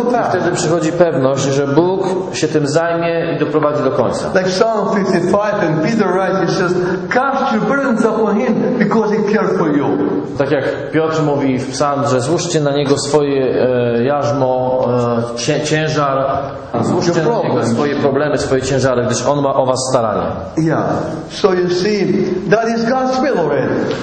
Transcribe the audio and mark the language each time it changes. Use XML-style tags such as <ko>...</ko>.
<pl>Wtedy przychodzi pewność, że Bóg się tym zajmie i doprowadzi do końca.</pl> <en>Like Psalm 55 and Peter writes, he says, cast your burdens upon him because he cares for you.</en> <pl>Tak jak Piotr mówi w Psalm, że złóżcie na niego swoje jarzmo, ciężar, złóżcie na niego swoje problemy, swoje ciężary, gdyż on ma o was staranie.</pl> <en>Yeah. So you see, that is God's will already.</en>